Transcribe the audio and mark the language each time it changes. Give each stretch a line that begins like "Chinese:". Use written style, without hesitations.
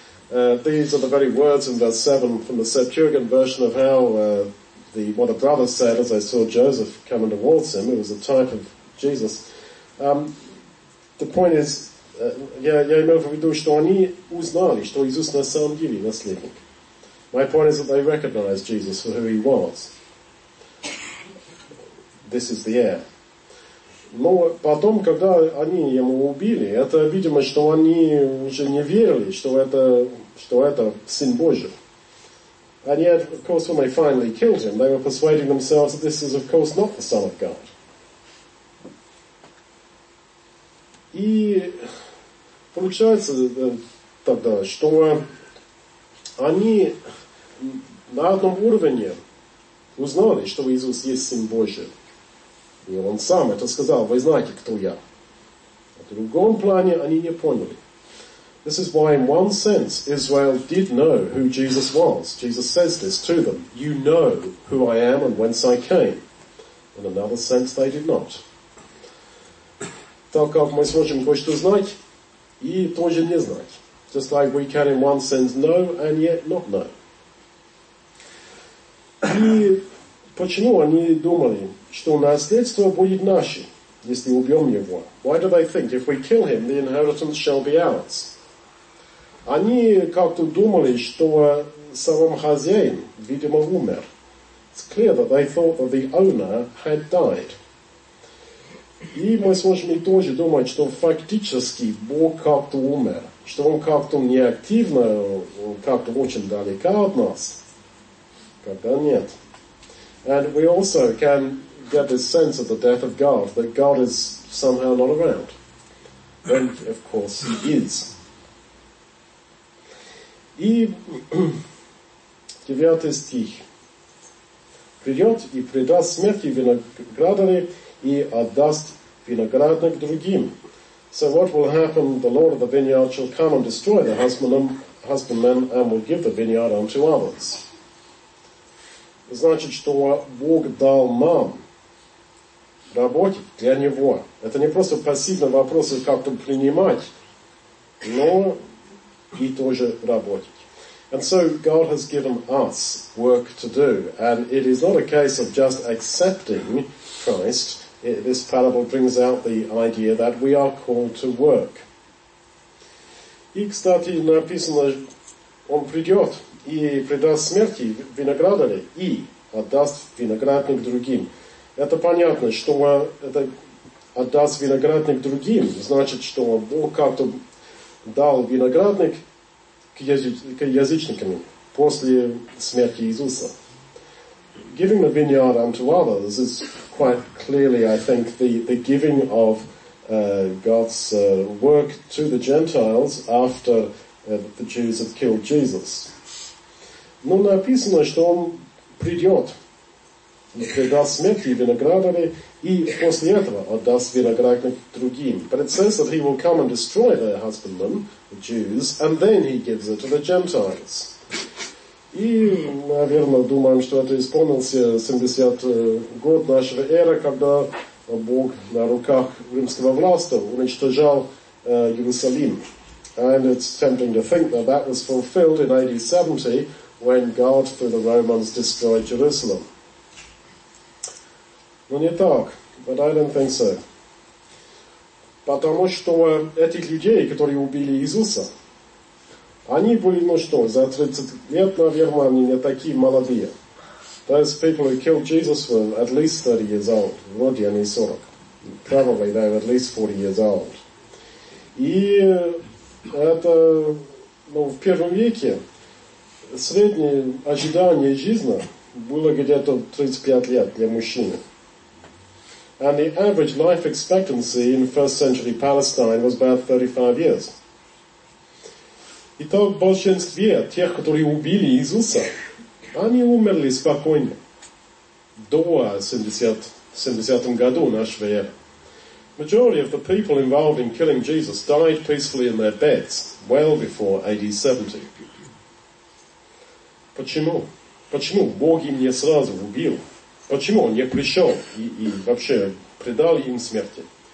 English: These are the very words in verse 7 from the Septuagint version of how what a brother said as they saw Joseph coming towards him. It was a type of Jesus. The point is,
Russian: я имел в виду, что они узнали, что Иисус на самом деле наследник.
English: My point is that they recognized Jesus for who he was. This is the heir.
Russian: Но потом, когда они его убили, это видимо, что они уже не верили, что это Сын Божий.
English: And yet, of course, when they finally killed him, they were persuading themselves that this is, of course, not the Son of God.
Russian: И получается тогда, что они на одном уровне узнали, что Иисус есть Сын Божий. И он сам это сказал, вы знаете, кто я. В другом плане они не поняли.
English: This is why in one sense Israel did know who Jesus was. Jesus says this to them, you know who I am and whence I came. In another sense they did not.
Russian: Так как мы сможем кое-что знать и тоже не знать.
English: Just like we can in one sense know and yet not know.
Russian: И почему они думали, что наследство будет наше, если убьем его?
English: Why do they think, if we kill him, the inheritance shall be ours?
Russian: Они как-то думали, что сам хозяин, видимо, умер.
English: It's clear that they thought that the owner had died.
Russian: И мы сможем и тоже думать, что фактически Бог как-то умер, что он как-то неактивно, как-то очень далеко от нас, когда нет.
English: And we also can get this sense of the death of God, that God is somehow not around. And, of course, he is.
Russian: И 9 стих. Придет и предаст смерти виноградаре и отдаст виноградник другим.
English: So what will happen? The Lord of the vineyard shall come and destroy the husbandmen and will give the vineyard unto others.
Russian: Значит, что Бог дал нам работать для Него. Это не просто пассивный вопрос, как там принимать, но и тоже работать.
English: And so God has given us work to do. And it is not a case of just accepting Christ. This parable brings out the idea that we are called to work.
Russian: И, кстати, написано, он придет и предаст смерти виноградаре и отдаст виноградник другим. Это понятно, что это отдаст виноградник другим, значит, что Бог как-то дал виноградник к язычникам после смерти Иисуса.
English: Giving the vineyard unto others is quite clearly, I think, the giving of God's work to the Gentiles after the Jews have killed Jesus.
Russian: Но написано, что он придет, предаст смерти виноградаре, и после этого отдаст виноградник другим.
English: But it says that he will come and destroy their husbandmen, the Jews, and then he gives it to the Gentiles.
Russian: И, наверное, думаем, что это исполнился 70-й год нашего эры, когда Бог на руках римского власти уничтожал Иерусалим.
English: And it's tempting to think that that was fulfilled in AD 70, when God, through the Romans, destroyed Jerusalem.
Russian: Ну не так,
English: but I don't think so.
Russian: Потому что этих людей, которые убили Иисуса, они были, ну что, за 30 лет, наверное, они не такие молодые.
English: Those people who killed Jesus were at least 30 years old.
Russian: Вроде они 40.
English: Probably they were at least 40 years old.
Russian: И это, ну, в первом веке среднее ожидание жизни было где-то 35 лет для мужчины.
English: And the average life expectancy in first century Palestine was about 35 years.
Russian: Итак, большинство тех, которые убили Иисуса, они умерли спокойно до 70-м году нашего эры.
English: Majority of the people involved in killing Jesus died peacefully in their beds well before AD 70.
Russian: Почему? Почему Бог им не сразу убил? Почему он не пришел и вообще предал им смерти?